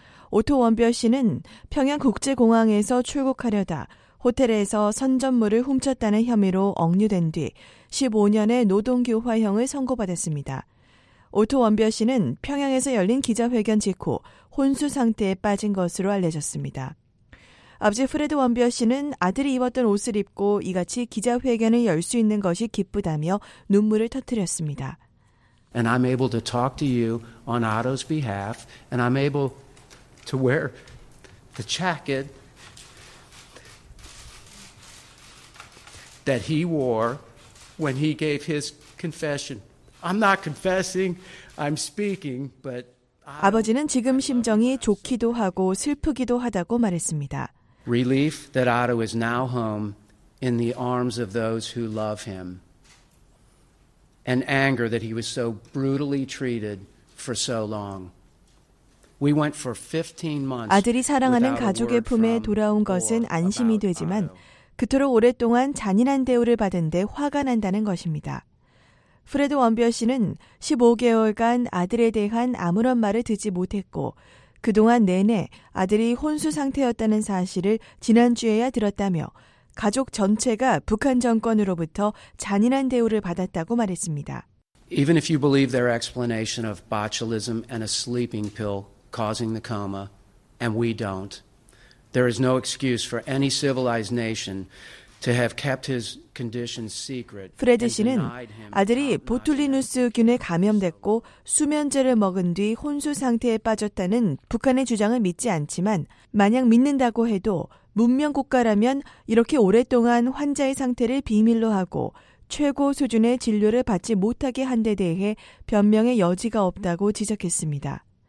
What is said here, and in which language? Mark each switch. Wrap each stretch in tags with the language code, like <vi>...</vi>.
<ko>오토 원비어 씨는 평양국제공항에서 출국하려다 호텔에서 선전물을 훔쳤다는 혐의로 억류된 뒤 15년의 노동교화형을 선고받았습니다. 오토 원비어 씨는 평양에서 열린 기자회견 직후 혼수 상태에 빠진 것으로 알려졌습니다. 아버지 프레드 원비어 씨는 아들이 입었던 옷을 입고 이같이 기자회견을 열 수 있는 것이 기쁘다며 눈물을 터뜨렸습니다.</ko> <en>And I'm able to talk to you on Otto's behalf and I'm able to wear the jacket that he wore when he gave his confession. I'm not confessing, I'm speaking, but</en> <ko>아버지는 지금 심정이 좋기도 하고 슬프기도 하다고 말했습니다.</ko> <en>Relief that Otto is now home in the arms of those who love him. And anger that he was so brutally treated for so long. We went for 15 months.</en> <ko>아들이 사랑하는 가족의 품에 돌아온 것은 안심이 되지만 그토록 오랫동안 잔인한 대우를 받은 데 화가 난다는 것입니다. 프레드 원비어 씨는 15개월간 아들에 대한 아무런 말을 듣지 못했고 그동안 내내 아들이 혼수 상태였다는 사실을 지난주에야 들었다며 가족 전체가 북한 정권으로부터 잔인한 대우를 받았다고 말했습니다.</ko> <en>Even if you believe their explanation of botulism and a sleeping pill causing the coma, and we don't, there is no excuse for any civilized nation to have kept his condition secret.</en> <ko>프레드 씨는 아들이 보툴리누스균에 감염됐고 수면제를 먹은 뒤 혼수 상태에 빠졌다는 북한의 주장을 믿지 않지만 만약 믿는다고 해도 문명 국가라면 이렇게 오랫동안 환자의 상태를 비밀로 하고 최고 수준의 진료를 받지 못하게 한 데 대해 변명의 여지가 없다고 지적했습니다.</ko>